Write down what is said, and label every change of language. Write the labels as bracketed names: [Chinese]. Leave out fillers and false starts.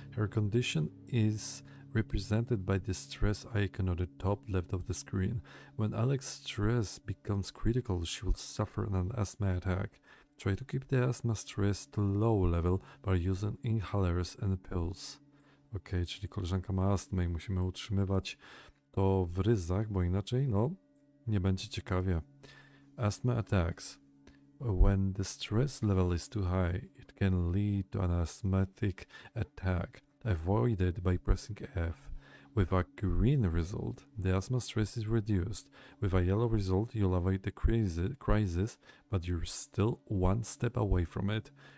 [English] Her condition is represented by the stress icon on the top left of the screen. When Alex's stress becomes critical, she will suffer an asthma attack. Try to keep the asthma stress to low level by using inhalers and pills. [Polish] Ok, czyli koleżanka ma astmę i musimy utrzymywać to w ryzach, bo inaczej, no, nie będzie ciekawie. [English] Asthma attacks. When the stress level is too high, it can lead to an asthmatic attack. Avoid it by pressing F. With a green result, the asthma stress is reduced. With a yellow result, you'll avoid the crisis, but you're still one step away from it.